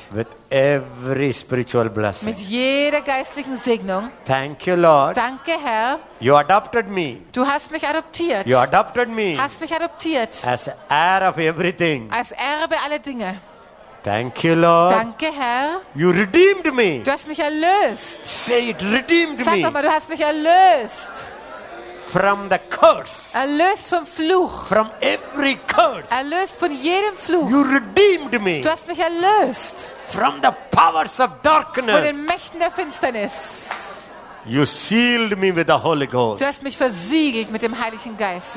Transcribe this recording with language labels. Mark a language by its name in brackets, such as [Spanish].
[English] With every spiritual blessing. [German] Mit jeder geistlichen Segnung. [English] Thank you, Lord. [German] Danke, Herr. [English] You adopted me. [German] Du hast mich adoptiert. [English] You adopted me. [German] Hast mich adoptiert. [English] As heir of everything. [German] Als Erbe aller Dinge. [English] Thank you, Lord. [German] Danke, Herr. [English] You redeemed me. [German] Du hast mich erlöst. [English] Say it, redeemed [German] sag [English] me. [German] Sag mal, du hast mich erlöst. [English] From the curse. [German] Erlöst vom Fluch. [English] From every curse. [German] Erlöst von jedem Fluch. [English] You redeemed me. [German] Du hast mich erlöst. [English] From the powers of darkness. [German] Von den Mächten der Finsternis. [English] You sealed me with the Holy Ghost. [German] Du hast mich versiegelt mit dem Heiligen Geist.